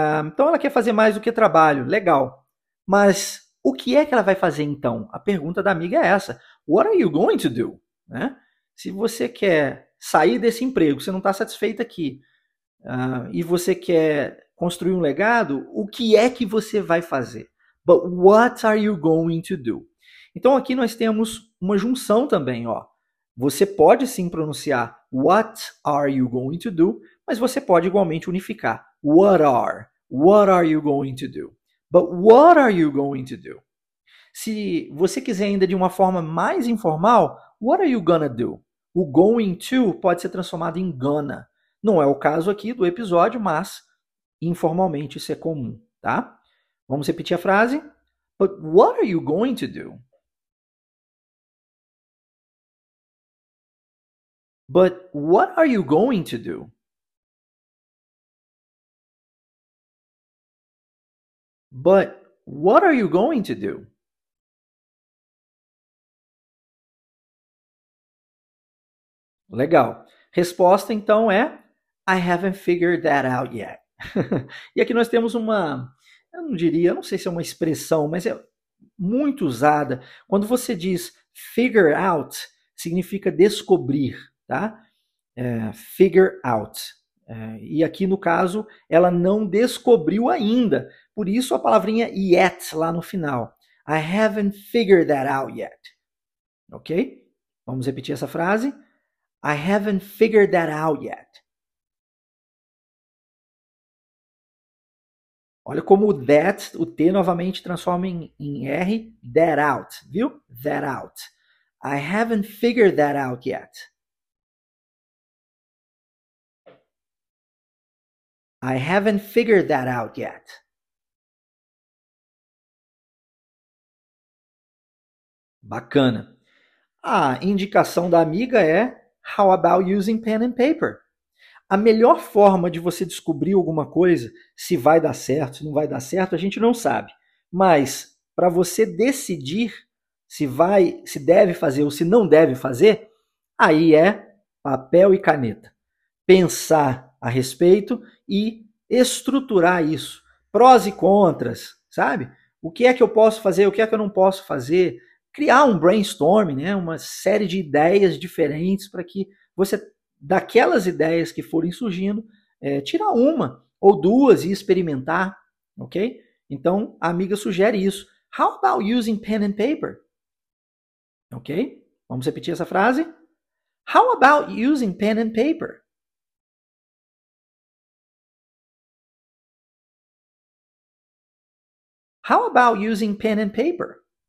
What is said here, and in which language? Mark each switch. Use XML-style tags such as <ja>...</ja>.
<pt>Então ela quer fazer mais do que trabalho. Legal. Mas o que é que ela vai fazer então? A pergunta da amiga é essa:</pt> <en>What are you going to do?</en> <pt>Né? Se você quer sair desse emprego, você não está satisfeito aqui, e você quer construir um legado, o que é que você vai fazer?</pt> <en>But what are you going to do?</en> <pt>Então aqui nós temos uma junção também, ó. Você pode sim pronunciar</pt> <en>what are you going to do,</en> <pt>mas você pode igualmente unificar.</pt> <en>What are you going to do? But what are you going to do?</en> <pt>Se você quiser ainda de uma forma mais informal,</pt> <en>what are you gonna do?</en> <pt>O going to pode ser transformado em gonna. Não é o caso aqui do episódio, mas informalmente, isso é comum, tá? Vamos repetir a frase?</pt> <en>But what are you going to do? But what are you going to do? But what are you going to do?</en> <pt>Legal. Resposta, então, é</pt> <en>I haven't figured that out yet.</en> <pt>E aqui nós temos uma, eu não diria, eu não sei se é uma expressão, mas é muito usada. Quando você diz figure out, significa descobrir, tá? Figure out. E aqui no caso, ela não descobriu ainda. Por isso a palavrinha yet lá no final.</pt> <en>I haven't figured that out yet. Ok?</en> <pt>Vamos repetir essa frase.</pt> <en>I haven't figured that out yet.</en> <pt>Olha como o that, o T novamente transforma em R,</pt> <en>that out,</en> <pt>viu?</pt> <en>That out. I haven't figured that out yet. I haven't figured that out yet.</en> <pt>Bacana. A indicação da amiga é</pt> <en>how about using pen and paper?</en> <pt>A melhor forma de você descobrir alguma coisa, se vai dar certo, se não vai dar certo, a gente não sabe. Mas para você decidir se vai, se deve fazer ou se não deve fazer, aí é papel e caneta. Pensar a respeito e estruturar isso. Prós e contras, sabe? O que é que eu posso fazer, o que é que eu não posso fazer? Criar um brainstorm, né? Uma série de ideias diferentes para que você, daquelas ideias que forem surgindo, tirar uma ou duas e experimentar, ok? Então, a amiga sugere isso.</pt> <en>How about using pen and paper? Ok?</en> <pt>Vamos repetir essa frase?</pt> <en>How about using pen and paper? How about using pen and paper?</en>